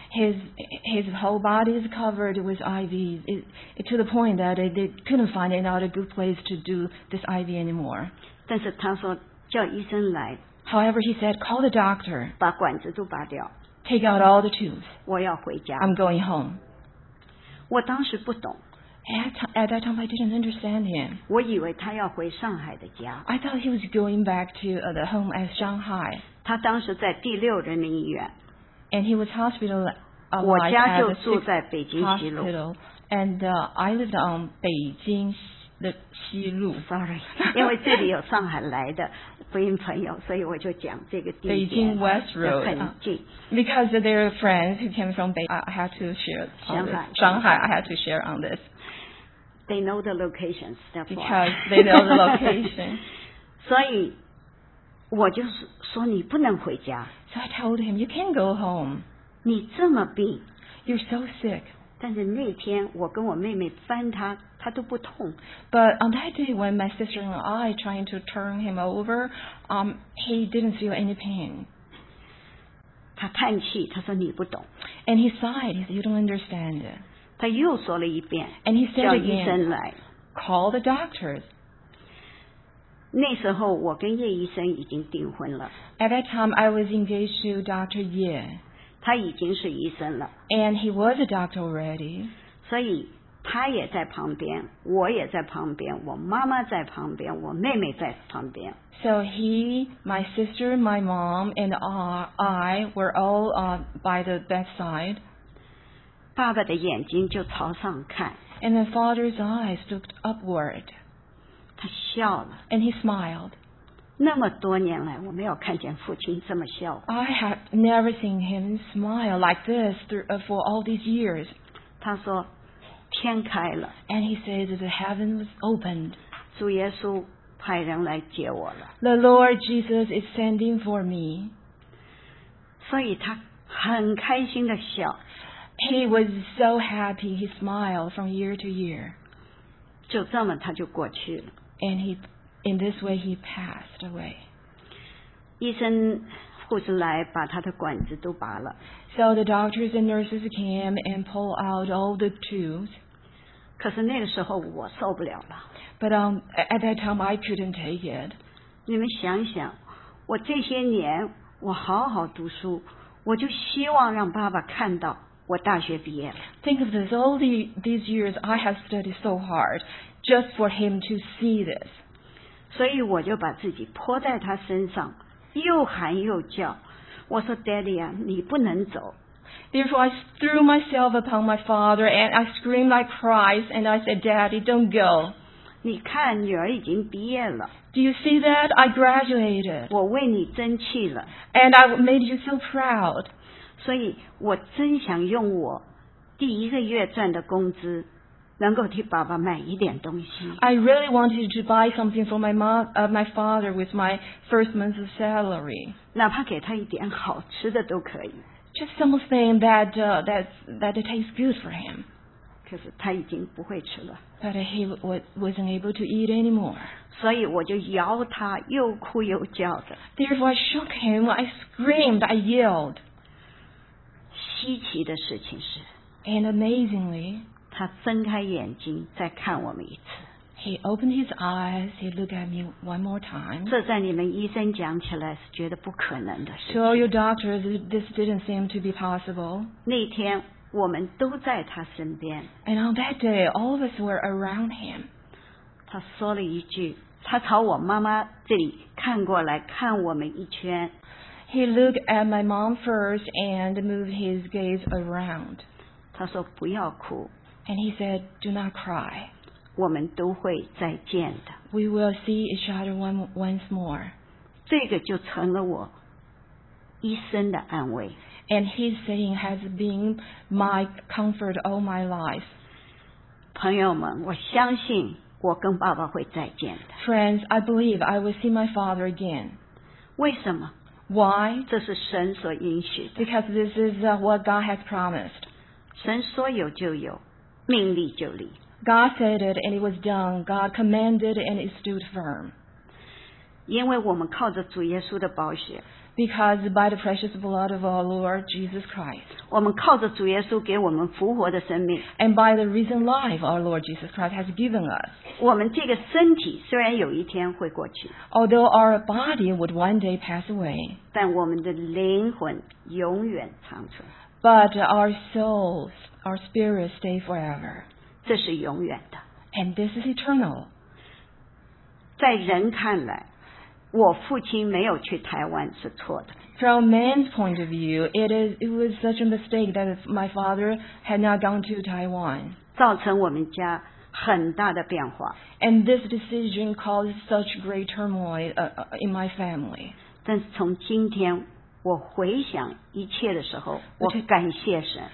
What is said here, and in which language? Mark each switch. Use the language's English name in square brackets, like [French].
[English] His whole body is covered with IV, to the point that they couldn't find another good place to do this IV anymore. [Chinese] 但是他说叫医生来。 [English] However, he said, call the doctor. [Chinese] 把管子都拔掉。 [English] Take out all the tubes. [Chinese] 我要回家。 [English] I'm going home. [Chinese] 我当时不懂。 [English] At that time, I didn't understand him. [Chinese] 我以为他要回上海的家。 [English] I thought he was going back to the home at Shanghai. [Chinese] 他当时在第六人民医院。 [English] And he was hospital. [Chinese] 我家就住在北京西路。 [English] And I lived on 北京的西路。 Sorry. [Chinese] 因为这里有上海来的。福音朋友，所以我就讲这个地点。 [English] 北京 West Road [Chinese] 很近。 [English] Because there are friends who came from Beijing, I have to share. [Chinese] 上海 [English] I have to share on this. They know the location, because they know the location. [Chinese] 所以我就说你不能回家。 [English] So I told him, you can't go home. [Chinese] 你这么病。 [English] You're so sick. [Chinese] 但是那天我跟我妹妹翻他，他都不痛。 [English] But on that day when my sister and I trying to turn him over, he didn't feel any pain. [Chinese] 他叹气，他说你不懂。 [English] And he sighed, he said, you don't understand. [Chinese] 他又说了一遍。 [English] And he said again, [Chinese] 叫医生来。 [English] Call the doctors. [Chinese] 那时候我跟叶医生已经订婚了。 [English] At that time, I was engaged to Dr. Ye. [Chinese] 他已经是医生了。 [English] And he was a doctor already. [Chinese] 所以他也在旁边，我也在旁边，我妈妈在旁边，我妹妹在旁边。 [English] So he, my sister, my mom, and I were all by the bedside. [Chinese] 爸爸的眼睛就朝上看。 [English] And the father's eyes looked upward. [Chinese] 他笑了。 [English] And he smiled. [Chinese] 那么多年来，我没有看见父亲这么笑。 [English] I have never seen him smile like this for all these years. [Chinese] 他说，天开了。 [English] And he says the heaven was opened. [Chinese] 主耶稣派人来接我了。 [English] The Lord Jesus is sending for me. [Chinese] 所以他很开心地笑。 [English] He was so happy. He smiled from year to year. [Chinese] 就这么他就过去了。 [English] And he, in this way he passed away. [Chinese] 医生护士来把他的管子都拔了。 [English] So the doctors and nurses came and pulled out all the tubes. [Chinese] 可是那个时候我受不了了。 [English] But at that time I couldn't take it. [Chinese] 你们想想，我这些年我好好读书，我就希望让爸爸看到。我大学毕业了。 [English] Think of this, all these years I have studied so hard just for him to see this. [Chinese] 所以我就把自己泼在他身上，又喊又叫。我说 Daddy 啊，你不能走。 [English] Therefore I threw myself upon my father and I screamed like cries and I said, Daddy, don't go. [Chinese] 你看女儿已经毕业了。 [English] Do you see that? I graduated. [Chinese] 我为你争气了。 [English] And I made you so proud. [Chinese] 所以我真想用我第一个月赚的工资能够替爸爸买一点东西。 [English] I really wanted to buy something for my father with my first month's salary. [Chinese] 哪怕给他一点好吃的都可以。 [English] Just something that tastes good for him. [Chinese] 可是他已经不会吃了。 [English] But he wasn't able to eat anymore. [Chinese] 所以我就摇他，又哭又叫的。 [English] Therefore I shook him, I screamed, I yelled. [Chinese] 稀奇的事情是 [English] ，and amazingly， [Chinese] 他睁开眼睛再看我们一次。 [English] He opened his eyes. He looked at me one more time. [Chinese] 这在你们医生讲起来是觉得不可能的事情。 [English] To all your doctors, this didn't seem to be possible. [Chinese] 那天我们都在他身边。 [English] And on that day, all of us were around him. [Chinese] 他说了一句，他朝我妈妈这里看过来，看我们一圈。 [English] He looked at my mom first and moved his gaze around. [Chinese] 他说不要哭。 [English] And he said, do not cry. [Chinese] 我们都会再见的。 [English] We will see each other once more. [Chinese] 这个就成了我一生的安慰。 [English] And his saying has been my comfort all my life. [Chinese] 朋友们，我相信我跟爸爸会再见的。 [English] Friends, I believe I will see my father again. [Chinese] 为什么？ [English] Why? [Chinese] 这是神所应许的。 [English] Because this is what God has promised. [Chinese] 神说有就有，命立就立。 [English] God said it and it was done. God commanded and it stood firm. [Chinese] 因为我们靠着主耶稣的宝血。 [English] Because by the precious blood of our Lord Jesus Christ. [Chinese] 我们靠着主耶稣给我们复活的生命。 [English] And by the risen life our Lord Jesus Christ has given us. [Chinese] 我们这个身体虽然有一天会过去。 [English] Although our body would one day pass away. [Chinese] 但我们的灵魂永远长存。 [English] But our souls, our spirits stay forever. [Chinese] 这是永远的。 [English] And this is eternal. [Chinese] 在人看来。我父亲没有去台湾是错的。 [English] From man's point of view, it was such a mistake that my father had not gone to Taiwan. [Chinese] 造成我们家很大的变化。 [English] And this decision caused such great turmoil in my family. [Chinese] 但是从今天我回想一切的时候，我感谢神。